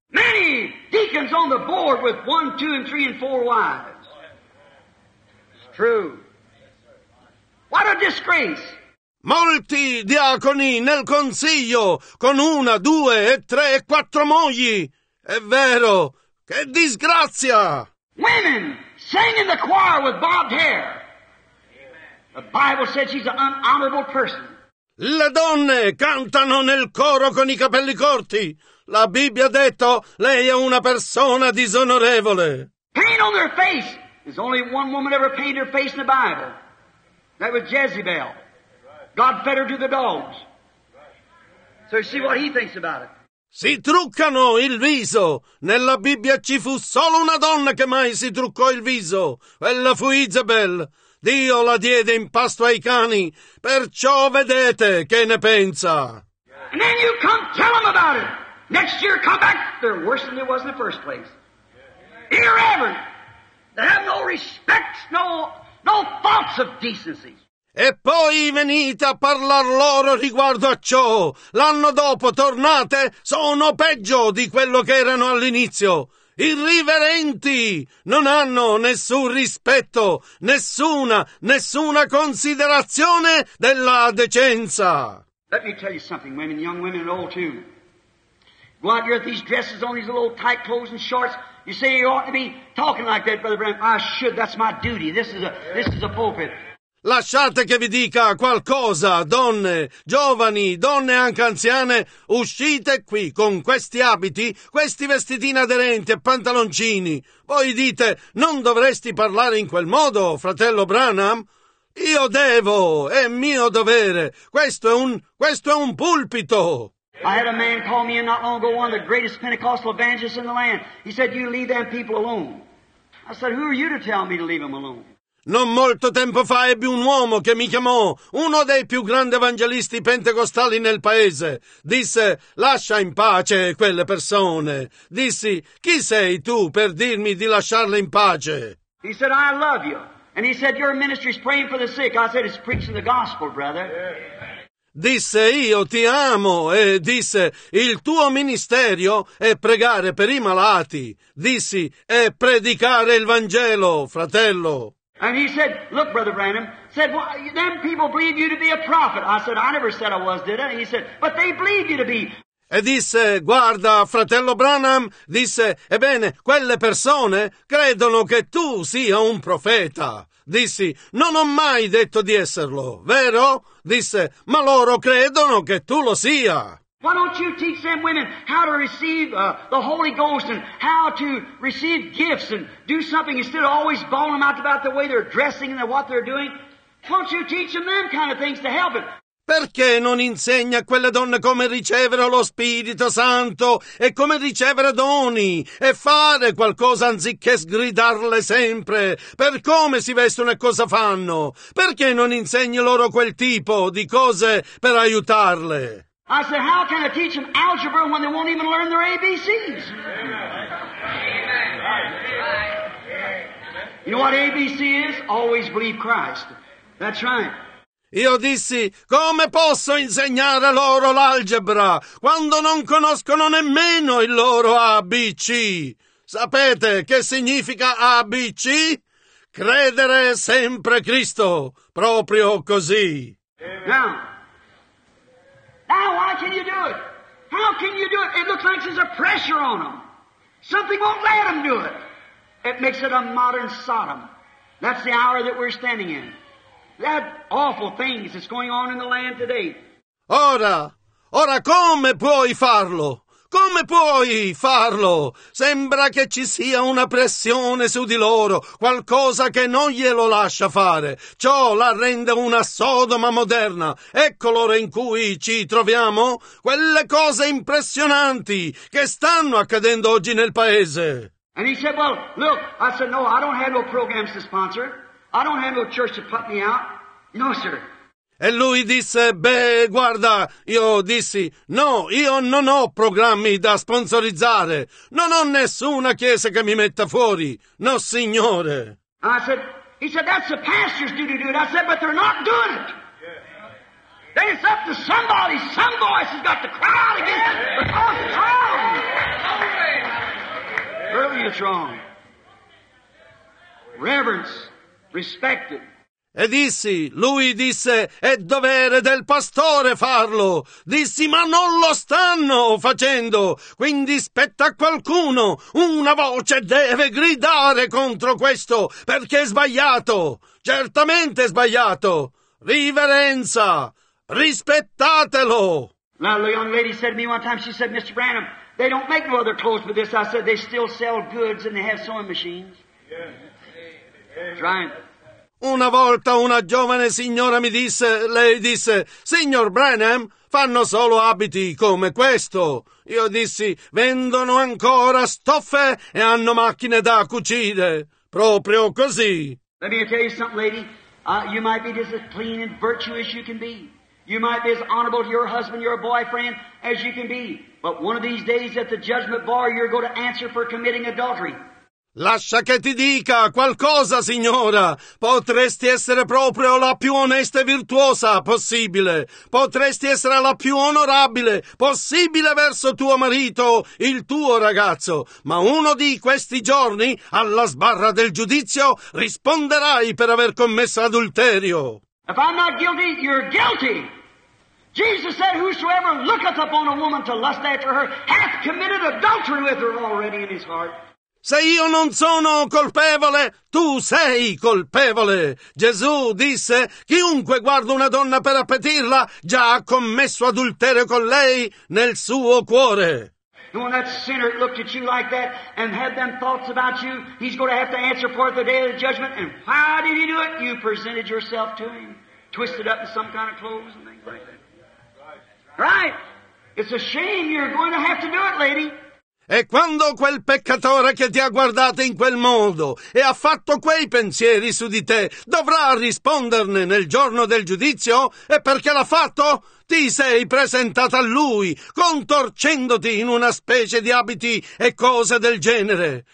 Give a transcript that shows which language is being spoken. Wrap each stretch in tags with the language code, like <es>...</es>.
<en>Many deacons on the board with 1, 2, 3, and 4 wives. It's true. What a disgrace!</en> <it>Molti diaconi nel consiglio con 1, 2, 3, 4 mogli. È vero! Che disgrazia!</it> <en>Women sing in the choir with bobbed hair. The Bible says she's an honorable person.</en> <it>Le donne cantano nel coro con i capelli corti. La Bibbia ha detto lei è una persona disonorevole.</it> <en>Paint on their face. There's only one woman ever painted her face in the Bible. That was Jezebel. God fed her to the dogs. So see what he thinks about it.</en> <it>Si truccano il viso. Nella Bibbia ci fu solo una donna che mai si truccò il viso. Quella fu Isabel. Dio la diede in pasto ai cani. Perciò vedete che ne pensa.</it> <en>And then you come tell them about it. Next year come back. They're worse than they was in the first place. Irreverent. They have no respect, no thoughts of decency.</en> <it>E poi venite a parlar loro riguardo a ciò. L'anno dopo tornate, sono peggio di quello che erano all'inizio. Irriverenti! Non hanno nessun rispetto, nessuna considerazione della decenza.</it> <en>Let me tell you something, women, young women and old too. Go out here with these dresses on, these little tight clothes and shorts. You say you ought to be talking like that, Brother Branham. I should, that's my duty. This is a pulpit.</en> <it>Lasciate che vi dica qualcosa, donne, giovani, donne anche anziane, uscite qui con questi abiti, questi vestitini aderenti e pantaloncini. Voi dite, non dovresti parlare in quel modo, fratello Branham? Io devo, è mio dovere, questo è un pulpito.</it> <en>I had a man call me not long ago, one of the greatest Pentecostal evangelists in the land. He said, you leave them people alone. I said, who are you to tell me to leave them alone?</en> <it>Non molto tempo fa ebbi un uomo che mi chiamò, uno dei più grandi evangelisti pentecostali nel paese. Disse, lascia in pace quelle persone. Dissi, chi sei tu per dirmi di lasciarle in pace?</it> <en>He said, I love you. And he said, your ministry is praying for the sick. I said, it's preaching the gospel, brother.</en> <it>Disse, io ti amo. E disse, il tuo ministerio è pregare per i malati. Dissi, è predicare il Vangelo, fratello.</it> <en>And he said, look, Brother Branham, said, well, them people believe you to be a prophet. I said, I never said I was, did I? He said, but they believe you to be.</en> <it>E disse, guarda, fratello Branham, disse, ebbene, quelle persone credono che tu sia un profeta. Dissi, non ho mai detto di esserlo, vero? Disse, ma loro credono che tu lo sia.</it> <en>Why don't you teach them women how to receive the Holy Ghost and how to receive gifts and do something instead of always bawling them out about the way they're dressing and what they're doing? Why don't you teach them them kind of things to help it?</en> <it>Perché non insegna a quelle donne come ricevere lo Spirito Santo e come ricevere doni e fare qualcosa anziché sgridarle sempre per come si vestono e cosa fanno? Perché non insegni loro quel tipo di cose per aiutarle?</it> <en>I said, how can I teach them algebra when they won't even learn their ABCs? You know what ABC is? Always believe Christ. That's right.</en> <it>Io dissi, come posso insegnare loro l'algebra quando non conoscono nemmeno il loro ABC? Sapete che significa ABC? Credere sempre Cristo, proprio così.</it> <en>Now, why can you do it? How can you do it? It looks like there's a pressure on them. Something won't let them do it. It makes it a modern Sodom. That's the hour that we're standing in. That awful thing that's going on in the land today.</en> <it>Ora come puoi farlo? Come puoi farlo? Sembra che ci sia una pressione su di loro, qualcosa che non glielo lascia fare. Ciò la rende una Sodoma moderna. Ecco l'ora in cui ci troviamo? Quelle cose impressionanti che stanno accadendo oggi nel paese.</it> <en>And he said, well, look, I said, no, I don't have no programs to sponsor. I don't have no church to put me out. No, sir.</en> <it>E lui disse, beh, guarda, io dissi, no, io non ho programmi da sponsorizzare. Non ho nessuna chiesa che mi metta fuori. No, signore.</it> <en>He said, that's the pastor's duty to do it. I said, but they're not doing it. Then it's up to somebody. Some voice has got to cry out against it. Because it's wrong. Early it's wrong. Reverence. Respect it.</en> <it>E dissi, lui disse, è dovere del pastore farlo. Dissi, ma non lo stanno facendo. Quindi spetta a qualcuno. Una voce deve gridare contro questo, perché è sbagliato. Certamente è sbagliato. Riverenza. Rispettatelo.</it> <en>Now the young lady said to me one time, she said, Mr. Branham, they don't make no other clothes but this. I said, they still sell goods and they have sewing machines. Yeah. Hey. Trying.</en> <it>Una volta una giovane signora mi disse, lei disse, signor Branham, fanno solo abiti come questo. Io dissi, vendono ancora stoffe e hanno macchine da cucire. Proprio così.</it> <en>Let me tell you something, lady. You might be just as clean and virtuous you can be. You might be as honorable to your husband, your boyfriend, as you can be. But one of these days at the judgment bar, you're going to answer for committing adultery.</en> <it>Lascia che ti dica qualcosa, signora. Potresti essere proprio la più onesta e virtuosa possibile. Potresti essere la più onorabile possibile verso tuo marito, il tuo ragazzo. Ma uno di questi giorni, alla sbarra del giudizio, risponderai per aver commesso adulterio.</it> <en>If I'm not guilty, you're guilty. Jesus said, whosoever looketh upon a woman to lust after her hath committed adultery with her already in his heart.</en> <it>Se io non sono colpevole, tu sei colpevole. Gesù disse, chiunque guarda una donna per appetirla, già ha commesso adulterio con lei nel suo cuore.</it> <en>And when that sinner looked at you like that and had them thoughts about you, he's going to have to answer for it the day of the judgment. And why did he do it? You presented yourself to him, twisted up in some kind of clothes and things like that. Right? It's a shame you're going to have to do it, lady.</en> <it>E quando quel peccatore che ti ha guardato in quel modo e ha fatto quei pensieri su di te dovrà risponderne nel giorno del giudizio? E perché l'ha fatto? Ti sei presentata a lui, contorcendoti in una specie di abiti e cose del genere.</it>